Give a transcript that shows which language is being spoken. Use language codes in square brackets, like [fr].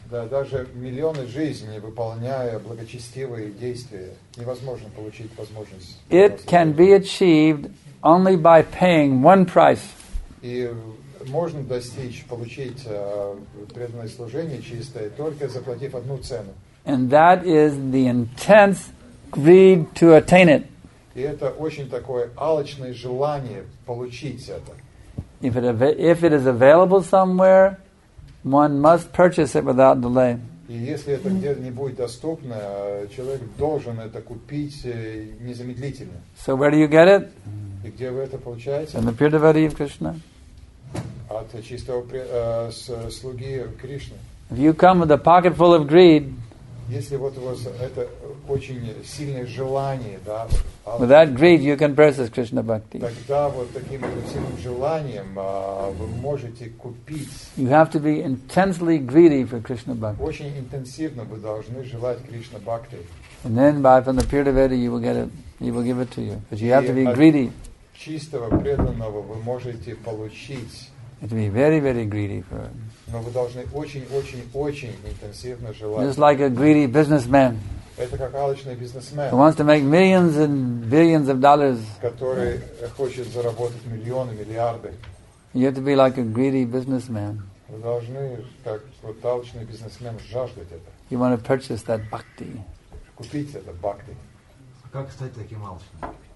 [ru] Да, даже миллионы жизней, выполняя благочестивые действия, невозможно получить возможность. [en] It can be achieved only by paying one price. [ru] И можно достичь, получить преданное служение чистое, только заплатив одну цену. [en] And that is the intense greed to attain it. [ru] И это очень такое алчное желание получить это. [en] If it is available somewhere, one must purchase it without delay. [ru] И если это где-нибудь доступно, человек должен это купить незамедлительно. [en] So where do you get it? [ru] И где вы это получаете? [en] From the pure devotee of Krishna. [ru] От чистого слуги Кришны. [en] If you come with a pocket full of greed. [ru] Если вот у вас это очень сильное желание, да, [en] with that greed you can purchase Krishna Bhakti. [ru] Тогда вот таким сильным желанием вы можете купить. [en] You have to be intensely greedy for Krishna Bhakti. [ru] Очень интенсивно вы должны желать Krishna Bhakti. [en] And then by from the pure devotee you will get it, he will give it to you. But you have to be greedy. [ru] Чистого преданного вы можете получить. [en] You have to be very, very greedy for it. [ru] Но вы должны очень-очень-очень интенсивно желать. [en] Just like a greedy businessman. [ru] Это как алчный бизнесмен. [en] Who wants to make millions and billions of dollars. [ru] Который хочет заработать миллионы, миллиарды. [en] You have to be like a greedy businessman. [ru] Вы должны, как вот алчный бизнесмен, жаждать это. [en] You want to purchase that bhakti. [ru] Купить это bhakti. А как стать таким алчным?